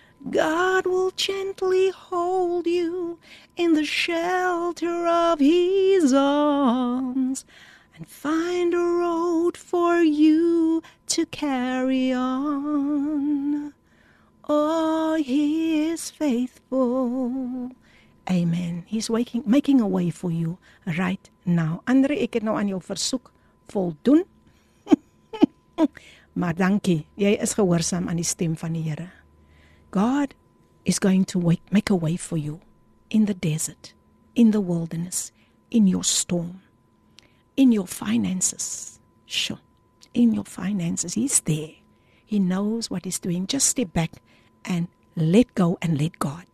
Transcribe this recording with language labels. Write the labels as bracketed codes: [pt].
[en] God will gently hold you in the shelter of His arms and find a road for you to carry on. Oh, He is faithful. Amen. He's making a way for you right now. [af] Andre, ek het nou aan jou versoek voldoen. Maar dankie. Jy is gehoorsaam aan die stem van die Here. [en] God is going to make a way for you in the desert, in the wilderness, in your storm, in your finances. Sure. In your finances. He's there. He knows what He's doing. Just step back and let go and let God.